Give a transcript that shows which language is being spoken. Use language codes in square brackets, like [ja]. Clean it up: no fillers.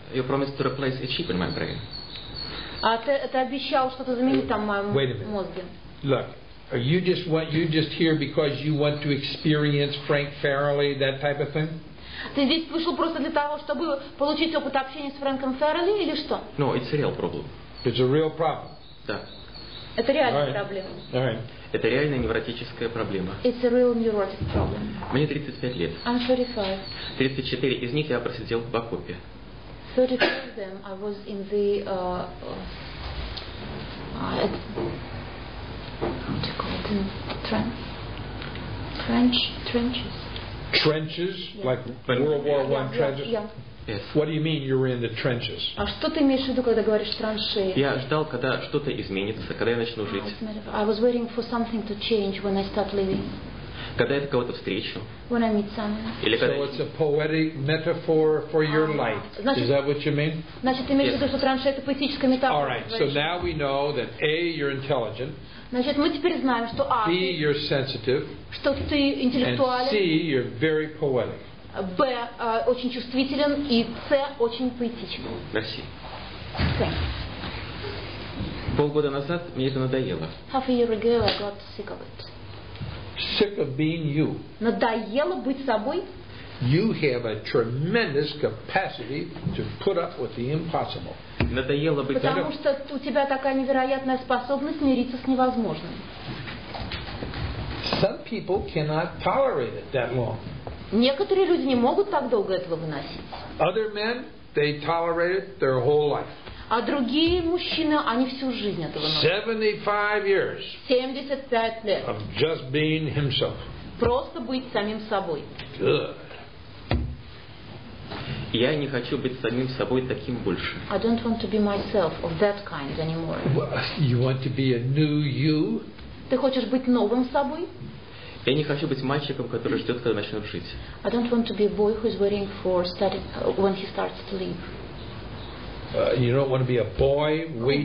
[en] You promised to replace a chip in my brain. [ru] А ты обещал что-то заменить там в моем мозге. [en] Look. Are you just what you just here because you want to experience Frank Farrelly, that type of thing? [ru] Ты здесь вышел просто для того, чтобы получить опыт общения с Фрэнком Фэрролли или что? [en] No, it's a real problem. It's a real problem. [ru] Да. Это реальная проблема. [en] All right. [ru] Это реальная невротическая проблема. [en] It's a real neurotic problem. [ru] Мне 35 лет. [en] I'm 35. [ru] 34 из них я просидел в окопе. [en] 34 of them I was in the what do you call it? Trenches. Trenches? Yeah. Like World War One trenches? Yeah. Yes. What do you mean you were in the trenches? [ru] А что ты имеешь в виду, когда говоришь траншеи? Я ждал, когда что-то изменится, когда я начну жить. [en] I was waiting for something to change when I start living. [ru] Когда я кого-то встречу. [en] When I meet someone. [ru] Или когда. [en] So it's a poetic metaphor for your life. [ru] Значит, [en] is that what you mean? [ru] Значит, ты имеешь в виду, что траншея это поэтическая метафора. [en] All right. So now we know that A, you're intelligent. [ru] Значит, мы теперь знаем, что А, [en] B, you're sensitive, [ru] что ты интеллектуален, [en] and C, you're very poetic. [ru] Б, очень чувствителен, и С, очень поэтичен. [fr] Merci. [ru] Полгода назад мне это надоело. [en] Half a year ago, I got sick of it. Sick of being you. [ru] Надоело быть собой? [en] You have a tremendous capacity to put up with the impossible. [ru] Надоело быть. Потому что у тебя такая невероятная способность мириться с невозможным. [en] Some people cannot tolerate it that long. [ru] Некоторые люди не могут так долго этого выносить. [en] Other men, they tolerate it their whole life. [ru] А другие мужчины, они всю жизнь этого носят. [en] 75 years. [ru] 75 лет. [en] Of just being himself. [ru] Просто быть самим собой. [en] Good. [ru] Я не хочу быть самим собой таким больше. [en] I don't want to be myself of that kind anymore. You want to be a new you? [ru] Ты хочешь быть новым собой? Я не хочу быть мальчиком, который ждет, когда начнет жить. [en] I don't want to be a boy who is waiting for starting when he starts to live. You don't want to be a boy waiting.